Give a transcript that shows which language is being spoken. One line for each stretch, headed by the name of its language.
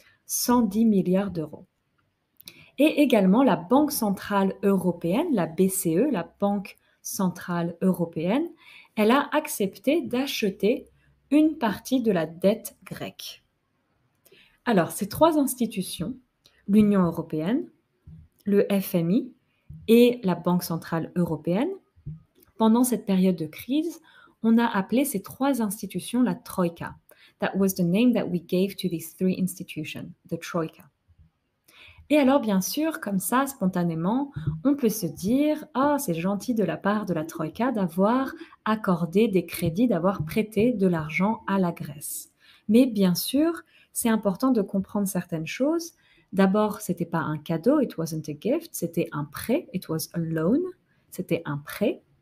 French: 110 milliards d'euros. Et également, la Banque centrale européenne, la BCE, la Banque centrale européenne, elle a accepté d'acheter une partie de la dette grecque. Alors, ces trois institutions, l'Union européenne, le FMI et la Banque centrale européenne, pendant cette période de crise, on a appelé ces trois institutions la Troïka.
English: That was the name that we gave to these three institutions, the Troïka.
French: Et alors, bien sûr, comme ça, spontanément, on peut se dire, oh, c'est gentil de la part de la Troïka d'avoir accordé des crédits, d'avoir prêté de l'argent à la Grèce. Mais bien sûr, c'est important de comprendre certaines choses. D'abord, ce n'était pas un cadeau,
English: it wasn't a gift,
French: c'était un prêt,
English: it was a loan,
French: c'était un prêt.